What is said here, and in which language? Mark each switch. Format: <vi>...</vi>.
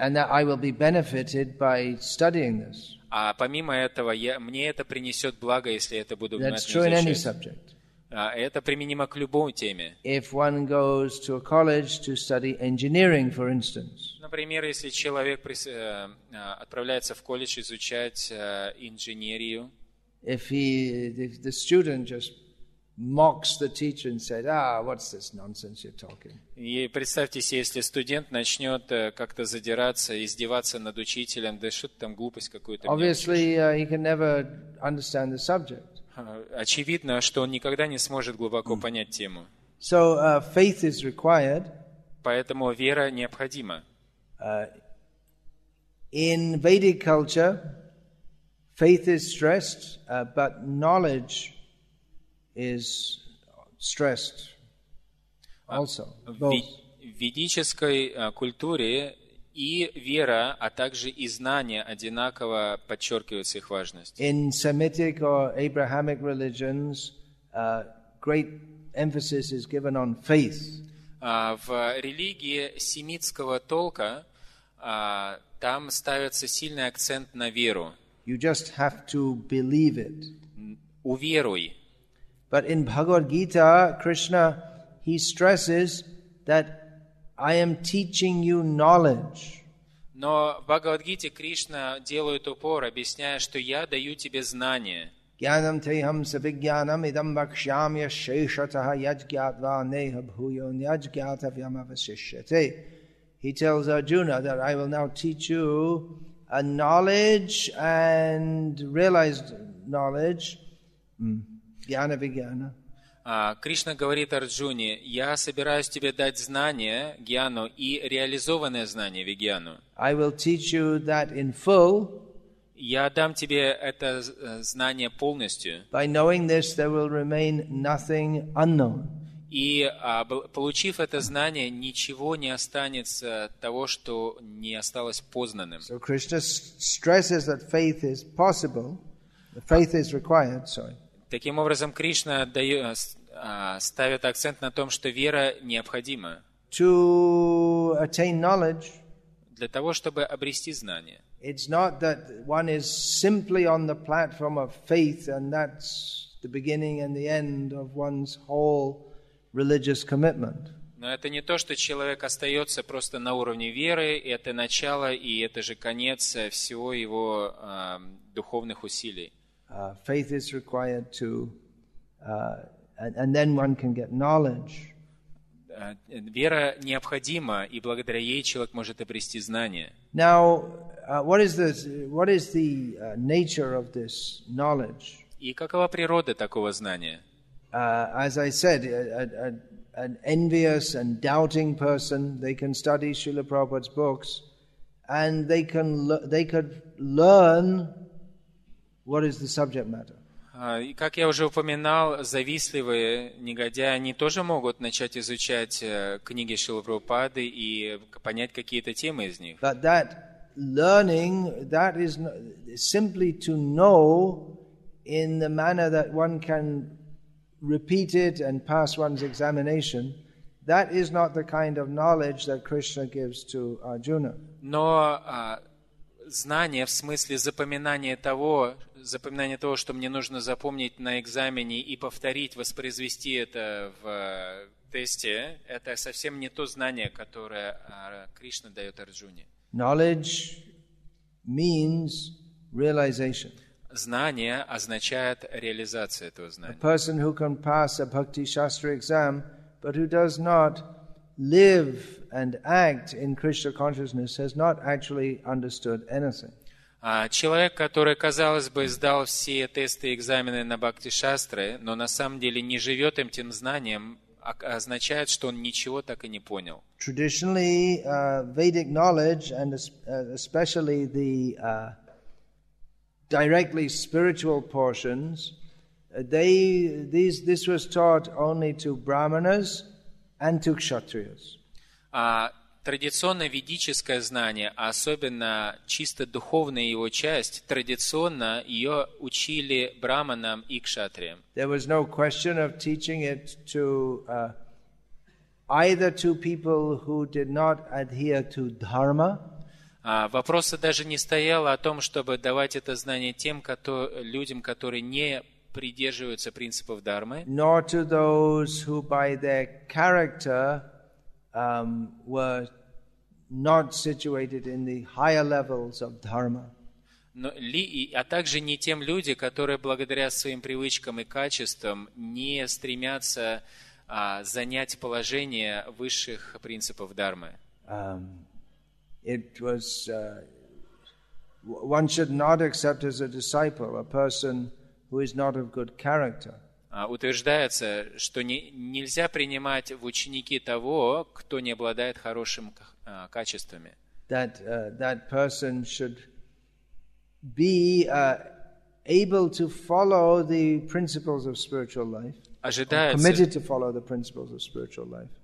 <en>And that I will be benefited by studying this.</en> <ru>А помимо этого, мне это принесет благо, если я это буду внимательно изучать.</ru> <en>That's true in any subject.</en> <ru>Это применимо к любой теме.</ru> <en>If one goes to a college to study engineering, for instance.</en> <ru>Например, если человек отправляется в колледж изучать инженерию.</ru> <en>If the student just mocks the teacher and said, what's this nonsense you're talking?</en> <ru>И представьте себе, если студент начнет как-то задираться, издеваться над учителем, да что-то там глупость какую-то.</ru> <en>Obviously, he can never understand the subject.</en> <ru>Очевидно, что он никогда не сможет глубоко понять тему.</ru> <en>So, faith is required.</en> <ru>Поэтому вера необходима.</ru> <en>In Vedic culture, faith is stressed, but knowledge is stressed also.</en> <ru>В ведической культуре и вера, а также и знание одинаково подчеркиваются их важность.</ru> <en>In Semitic or Abrahamic religions, great emphasis is given on faith.</en> <ru>В религии семитского толка там ставится сильный акцент на веру.</ru> <en>You just have to believe it.</en> <ru>Уверуй.</ru> <en>But in Bhagavad Gita, Krishna, he stresses that I am teaching you knowledge.</en> <ru>Но в Бхагавад-гите Кришна делает упор, объясняя, что я даю тебе знание.</ru> <sa>Гьянам тейхам савигьянам идам вакшамья шешатаха яджгьятва неха бхуйон яджгьятавьяма васишьяте.</sa> <en>He tells Arjuna that I will now teach you a knowledge and realized knowledge.</en> <sa>Гьяна вигьяна.</sa> <ru>Кришна говорит Арджуне, я собираюсь тебе дать знание, гьяну, и реализованное знание, вигьяну.</ru> <en>I will teach you that in full.</en> <ru>Я дам тебе это знание полностью.</ru> <en>By knowing this, there will remain nothing unknown.</en> <ru>И получив это знание, ничего не останется того, что не осталось познанным.</ru> <en>So Krishna stresses that faith is possible. Faith is required, sorry.</en> <ru>Таким образом, Кришна ставит акцент на том, что вера необходима</ru> <en>to attain knowledge,</en> <ru>для того, чтобы обрести знание.</ru> <en>It's not that one is simply on the platform of faith, and that's the beginning and the end of one's whole religious commitment.</en> <ru>Но это не то, что человек остается просто на уровне веры, и это начало, и это же конец всего его духовных усилий.</ru> <en>Faith is required to, and then one can get knowledge.</en> <ru>Вера необходима, и благодаря ей человек может обрести знания.</ru> <en>Now, what is the nature of this knowledge?</en> <ru>И какова природа такого знания?</ru> <en>As I said, an envious and doubting person, they can study Srila Prabhupada's books, and they could learn. What is the subject matter?</en> <ru>Как я уже упоминал, завистливые негодяи, они тоже могут начать изучать книги Шрилы Прабхупады и понять какие-то темы из них.</ru> <en>But that learning, that is simply to know in the manner that one can repeat it and pass one's examination. That is not the kind of knowledge that Krishna gives to Arjuna.</en> <ru>Но знание в смысле запоминания того, что мне нужно запомнить на экзамене и повторить, воспроизвести это в тесте, это совсем не то знание, которое Кришна дает Арджуне.</ru> <en>Knowledge means realization.</en> <ru>Знание означает реализация этого знания.</ru> <en>A person who can pass a bhakti shastra exam, but who does not live and act in Krishna consciousness, has not actually understood anything.</en> <ru>Человек, который, казалось бы, сдал все тесты и экзамены на бхакти-шастры, но на самом деле не живет этим знанием, означает, что он ничего так и не понял.</ru> <en>Traditionally, Vedic knowledge, and especially the directly spiritual portions, this was taught only to brahmanas and to kshatriyas.</en> <ru>Традиционное ведическое знание, а особенно чисто духовная его часть, традиционно ее учили брахманам и кшатриям.</ru> <en>There was no question of teaching it to either to people who did not adhere to dharma.</en> <ru>Вопроса даже не стояло о том, чтобы давать это знание тем, людям, которые не придерживаются принципов дхармы.</ru> <en>Nor to those who by their character were not situated in the higher levels of dharma.</en> <ru>А также не тем людям, которые благодаря своим привычкам и качествам не стремятся занять положение высших принципов дхармы.</ru> <en>It was one should not accept as a disciple a person who is not of good character.</en> <ru>Утверждается, что нельзя принимать в ученики того, кто не обладает хорошими качествами.</ru> <en>That person should be able to follow the principles of spiritual life.</en> <ru>Ожидается,</ru> <en>committed to follow the principles of spiritual life.</en>